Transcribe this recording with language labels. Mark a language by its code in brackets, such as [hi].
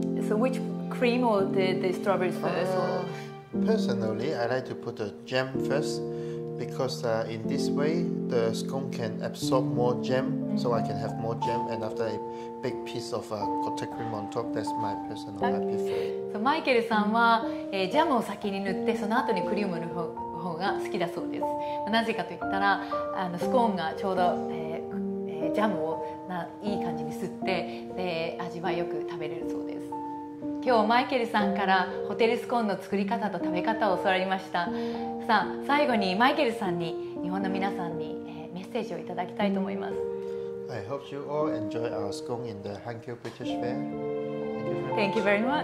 [en] Which cream or the strawberries first? Personally, I like to put the jam first because in this way, the scone can absorb more jam, so I can have more jam and after a big piece of clotted cream on top, that's my personal preference. [ja] So, Michael さんは、ジャムを先に塗って、その後にクリームの方が好きだそうです。なぜかと言ったら、スコーンがちょうど、ジャムをいい感じに吸って、で味わいよく食べれるそうです。今日マイケルさんからホテルスコーンの作り方と食べ方を教わりました。さあ最後にマイケルさんに日本の皆さんに、メッセージをいただきたいと思います。 [en] I hope you all enjoy our scone in the Hankyu British Fair. Thank you very much.